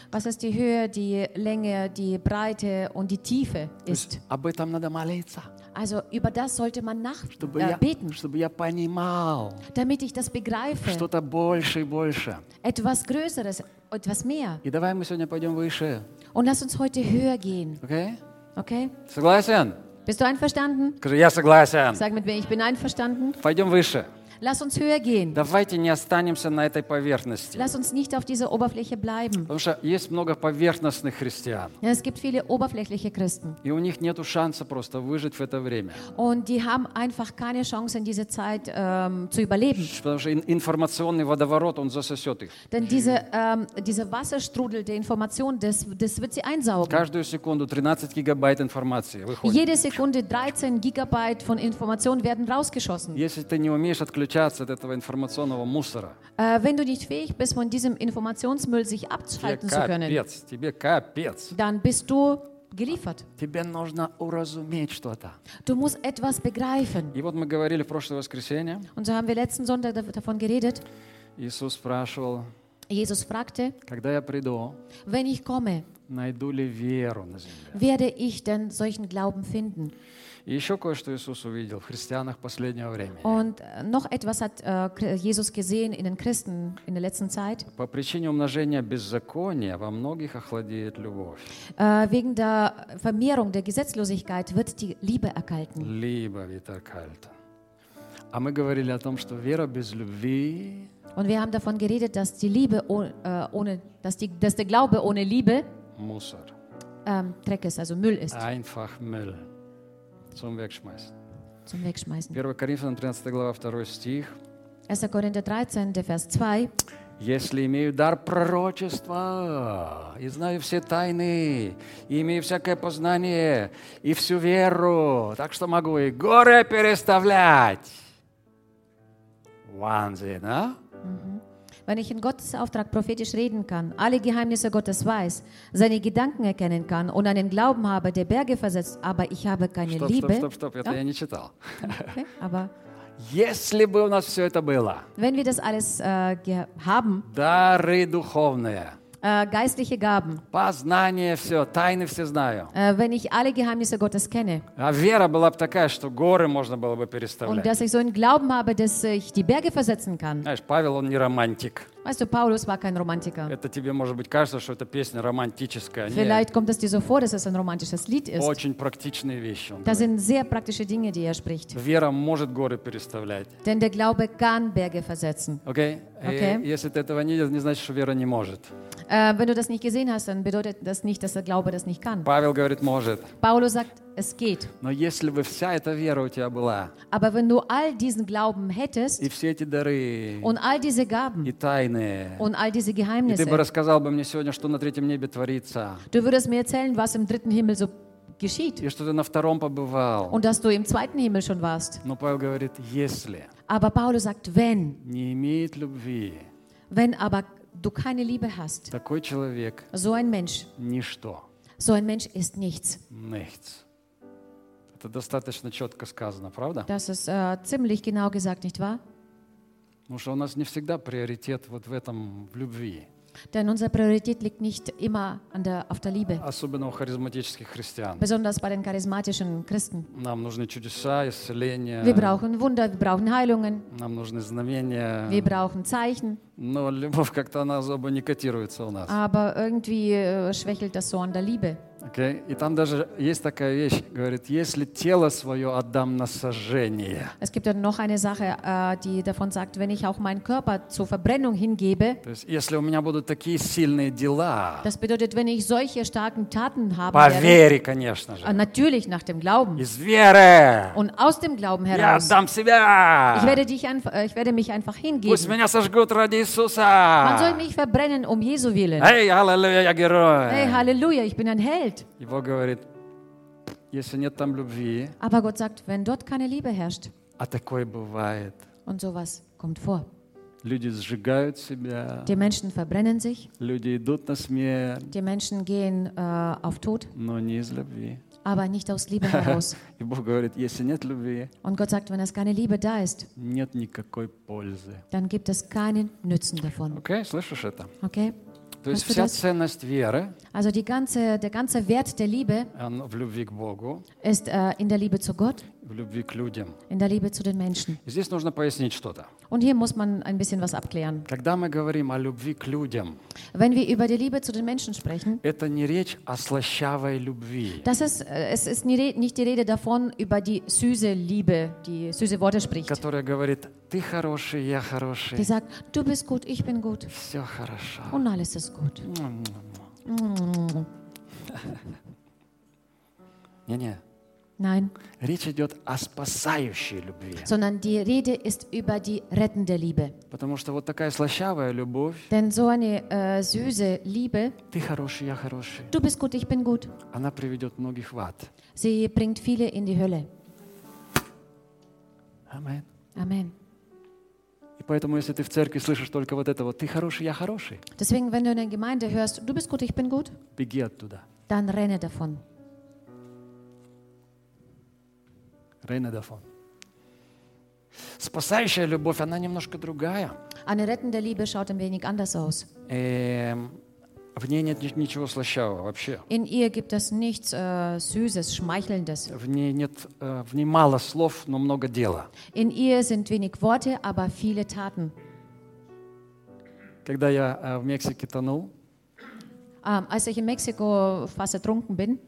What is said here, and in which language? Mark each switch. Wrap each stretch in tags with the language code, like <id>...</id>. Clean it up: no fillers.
<de>Was ist die Höhe, die Länge, die Breite und die Tiefe ist.</de> <ru>Об этом надо молиться.</ru> <de>Also über das sollte man beten.</de> <ru>Чтобы я понимал.</ru> <de>Damit ich das begreife.</de> <ru>Что-то больше и больше.</ru> <de>Etwas Größeres, etwas mehr.</de> <ru>И давай мы сегодня пойдем выше.</ru> <de>Und lass uns heute höher gehen. Okay? Okay?</de> <ru>Согласен?</ru> <de>Bist du einverstanden?</de> <ru>Скажи, я согласен.</ru> <de>Sag mit mir, ich bin einverstanden.</de> <ru>Пойдем выше.</ru> <de>Lass uns höher gehen.</de> <ru>Давайте не останемся на этой поверхности.</ru> <de>Lass uns nicht auf dieser Oberfläche bleiben.</de> <ru>Потому что есть много поверхностных христиан.</ru> <de>Ja, es gibt viele oberflächliche Christen.</de> <ru>И у них нету шанса просто выжить в это время.</ru> <de>Und die haben einfach keine Chance in dieser Zeit zu überleben.</de> <ru>Потому что информационный водоворот, он засосет их.</ru> <de>Denn dieser Wasserstrudel der Information, das wird sie einsaugen.</de> <ru>Каждую секунду 13 гигабайт информации выходит.</ru> <de>Jede Sekunde 13 Gigabyte von Information werden rausgeschossen.</de> <ru>Если ты не умеешь отключаться от этого информационного мусора.</ru> <de>Wenn du nicht fähig bist, von diesem Informationsmüll sich abschalten zu können,</de> <ru>тебе капец.</ru> <de>Dann bist du geliefert.</de> <ru>Тебе нужно уразуметь что-то.</ru> <de>Du musst etwas begreifen.</de> <ru>И вот мы говорили в прошлое воскресенье.</ru> <de>Und so haben wir letzten Sonntag davon geredet.</de> <ru>Иисус спрашивал.</ru> <de>Jesus fragte.</de> <ru>Когда я приду?</ru> <de>Wenn ich komme.</de> <ru>Найду ли веру на земле?</ru> <de>Werde ich denn solchen Glauben finden?</de> <ru>И еще кое-что Иисус увидел в христианах последнего времени.</ru> <de>Und noch etwas hat Jesus gesehen in den Christen in der letzten Zeit.</de> <ru>По причине умножения беззакония во многих охладеет любовь.</ru> <de>Wegen der Vermehrung der Gesetzlosigkeit wird die Liebe erkalten. Liebe wird erkalten.</de> <ru>А мы говорили о том, что вера без любви.</ru> <de>Und wir haben davon geredet, dass die Liebe ohne, dass der Glaube ohne Liebe</de> <ru>Мусор.</ru> <de>Dreck ist, also Müll ist. Einfach Müll. Zum Wegschmeißen. Zum Wegschmeißen. 1.</de> <ru>Korinther 13, глава, 2 стих.</ru> <de>1. Korinther 13, der Vers 2.</de> <ru>Если имею дар пророчества и знаю все тайны и имею всякое познание и всю веру, так что могу и горы переставлять.</ru> <de>Wahnsinn,</de> <ru>а?</ru> <de>Wenn ich in Gottes Auftrag prophetisch reden kann, alle Geheimnisse Gottes weiß, seine Gedanken erkennen kann und einen Glauben habe, der Berge versetzt, aber ich habe keine Liebe. Stopp, ja?</de> <ru>Я не читал. Okay, если бы у нас все это было.</ru> <de>Wenn wir das alles haben.</de> <ru>Дары духовные.</ru> <de>Geistliche Gaben.</de> <ru>Познание все, тайны все знаю.</ru> <de>Wenn ich alle Geheimnisse Gottes kenne.</de> <ru>А вера была бы такая, что горы можно было бы переставлять.</ru> <de>Und dass ich so einen Glauben habe, dass ich die Berge versetzen kann.</de> <ru>Знаешь, Павел, он не романтик.</ru> <de>Weißt du, Paulus war kein Romantiker.</de> <ru>Это тебе, может быть, кажется, что эта песня романтическая.</ru> <de>Vielleicht kommt es dir so vor, dass es ein romantisches Lied ist.</de> <ru>Очень практичные вещи.</ru> <de>Das</de> <ru>говорит.</ru> <de>Sind sehr praktische Dinge, die er spricht.</de> <ru>Вера может горы переставлять.</ru> <de>Denn der Glaube kann Berge versetzen. Okay? Okay?</de> <ru>Если ты этого не видел, не значит, что вера не может.</ru> <de>Wenn du das nicht gesehen hast, dann bedeutet das nicht, dass der Glaube das nicht kann.</de> <ru>Павел говорит, может.</ru> <de>Paulus sagt, es geht.</de> <ru>Но если бы вся эта вера у тебя была,</ru> <de>aber wenn du all diesen Glauben hättest,</de> <ru>и все эти дары,</ru> <de>und all diese Gaben,</de> <ru>и тайны,</ru> <de>und all diese Geheimnisse,</de> <ru>и ты бы рассказал бы мне сегодня, что на третьем небе творится,</ru> <de>du würdest mir erzählen, was im dritten Himmel so geschieht,</de> <ru>и что ты на втором побывал,</ru> <de>und dass du im zweiten Himmel schon warst.</de> <ru>Но Павел говорит, если,</ru> <de>aber Paulus sagt, wenn,</de> <ru>не имеет любви,</ru> <de>wenn aber du keine Liebe hast,</de> <ru>такой человек,</ru> <de>so ein Mensch,</de> <ru>ничто,</ru> <de>so ein Mensch ist nichts, nichts.</de> <ru>Это достаточно четко сказано, правда?</ru> <de>Das ist ziemlich genau gesagt, nicht wahr?</de> <ru>Потому что у нас не всегда приоритет вот в этом, в любви.</ru> <de>Denn unsere Priorität liegt nicht immer an der, auf der Liebe.</de> <ru>Особенно у харизматических христиан.</ru> <de>Besonders bei den charismatischen Christen.</de> <ru>Нам нужны чудеса, исцеления.</ru> <de>Wir brauchen Wunder, wir brauchen Heilungen.</de> <ru>Нам нужны знамения.</ru> <de>Wir brauchen Zeichen.</de> <ru>Но любовь как-то она особо не котируется у нас.</ru> <de>Aber irgendwie schwächelt das so an der Liebe. Okay.</de> <ru>И там даже есть такая вещь, говорит, если тело свое отдам на сожжение.</ru> <de>Es gibt dann noch eine Sache, die davon sagt, wenn ich auch meinen Körper zur Verbrennung hingebe.</de> <ru>То есть, если у меня будут такие сильные дела.</ru> <de>Das bedeutet, wenn ich solche starken Taten habe.</de> <ru>По вере, конечно же.</ru> <de>Natürlich nach dem Glauben.</de> <ru>Из веры.</ru> <de>Und aus dem Glauben heraus.</de> <ru>Я отдам себя.</ru> <de>Ich werde mich einfach hingeben.</de> <ru>Пусть меня сожгут ради Иисуса.</ru> <de>Man soll mich verbrennen um Jesu willen.</de> <ru>Hey, Halleluja, я герой.</ru> <de>Hey, Halleluja, ich bin ein Held.</de> <ru>И Бог говорит, если нет там любви,</ru> <de>aber Gott sagt, wenn dort keine Liebe herrscht,</de> <ru>а такое бывает,</ru> <de>und sowas kommt vor,</de> <ru>люди сжигают себя,</ru> <de>die Menschen verbrennen sich,</de> <ru>люди идут на смерть,</ru> <de>die Menschen gehen auf Tod,</de> <ru>но не из любви,</ru> <de>aber nicht aus Liebe heraus.</de> <ru>И Бог говорит, если нет любви,</ru> <de>und Gott sagt, wenn es keine Liebe da ist,</de> <ru>нет никакой пользы,</ru> <de>dann gibt es keinen Nützen davon.</de> <ru>Okay, слышишь это?</ru> <de>Okay.</de> <ru>То есть вся ценность веры,</ru> <de>also die ganze, der ganze Wert der Liebe,</de> <ru>в любви к Богу,</ru> <de>ist in der Liebe zu Gott,</de> <ru>в любви к людям,</ru> <de>in der Liebe zu den Menschen.</de> <ru>И здесь нужно пояснить что-то.</ru> <de>Und hier muss man ein bisschen was abklären.</de> <ru>Когда мы говорим о любви к людям,</ru> <de>wenn wir über die Liebe zu den Menschen sprechen,</de> <ru>это не речь о слащавой любви.</ru> <de>Das ist, es ist nicht die Rede davon, über die süße Liebe, die süße Worte spricht.</de> <ru>Которая говорит, ты хороший, я хороший.</ru> <de>Die sagt, du bist gut, ich bin gut.</de> <ru>Все хорошо.</ru> <de>Und alles ist gut.</de> <ru>Не-не.</ru> <de>Nein.</de> <ru>Речь идет о спасающей любви.</ru> <de>Sondern die Rede ist über die rettende Liebe.</de> <ru>Потому что вот такая слащавая любовь.</ru> <de>Denn so eine süße Liebe.</de> <ru>Ты хороший, я хороший.</ru> <de>Du bist gut, ich bin gut.</de> <ru>Она приведет многих в ад.</ru> <de>Sie bringt viele in die Hölle. Amen. Amen.</de> <ru>И поэтому, если ты в церкви слышишь только вот это вот, ты хороший, я хороший.</ru> <de>Deswegen, wenn du in der Gemeinde hörst, du bist gut, ich bin gut.</de> <ru>Беги оттуда.</ru> <de>Dann renne davon. Рене Дафон.</de> <ru>Спасающая любовь, она немножко другая.</ru> <de>Eine rettende Liebe schaut ein wenig anders aus.</de> <ru>В ней нет ничего слащавого вообще.</ru> <de>In ihr gibt es nichts Süßes, Schmeichelndes.</de> <ru>В ней мало слов, но много дела.</ru> <de>In ihr sind wenig Worte, aber viele Taten.</de> <ru>Когда я в Мексике тонул,</ru> <de>als ich in Mexiko fast ertrunken bin,</de>